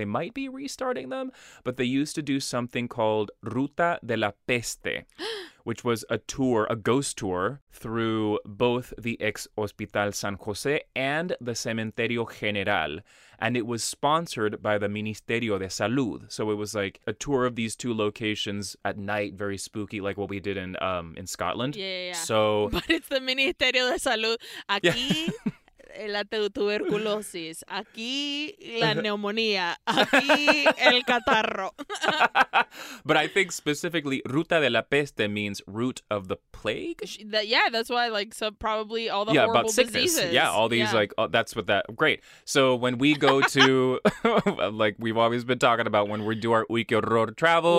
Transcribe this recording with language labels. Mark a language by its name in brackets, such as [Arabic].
[English] They might be restarting them, but they used to do something called Ruta de la Peste, which was a ghost tour through both the Ex Hospital San Jose and the Cementerio General. And it was sponsored by the Ministerio de Salud. So it was like a tour of these two locations at night, very spooky, like what we did in Scotland. Yeah, yeah, yeah. So, but it's the Ministerio de Salud. [Spanish] Aquí... [English] Yeah. [Spanish] La tuberculosis, aquí la neumonía, aquí el catarro. [English] But I think specifically Ruta de la Peste means root of the plague? That's why, like, so probably all the horrible sickness. Diseases. Yeah, all these, like, oh, that's what that, great. So when we go to, like, we've always been talking about when we do our Uy Que Horror travel.